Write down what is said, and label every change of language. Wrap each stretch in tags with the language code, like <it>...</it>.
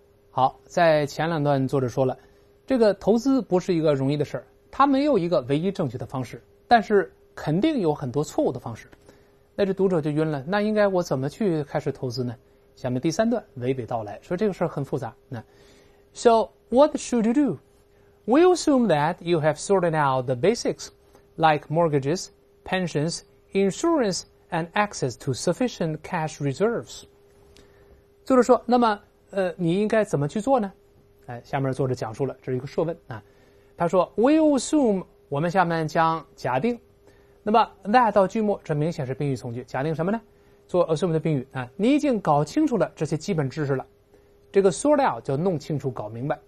<zh>好，在前两段作者说了，这个投资不是一个容易的事儿，它没有一个唯一正确的方式，但是肯定有很多错误的方式。那这读者就晕了，那应该我怎么去开始投资呢？下面第三段娓娓道来，说这个事儿很复杂。</zh> <en>那 So what should you do? We assume that you have sorted out the basics, like mortgages, pensions, insurance, and access to sufficient cash reserves.</en> <zh>作者说，那么你应该怎么去做呢？下面作者讲述了，这是一个设问啊。他说 ， We assume，我们下面将假定。那么 that 到句末，这明显是宾语从句。假定什么呢？做 assume 的宾语啊。你已经搞清楚了这些基本知识了。这个 sort out 叫弄清楚、搞明白。</zh>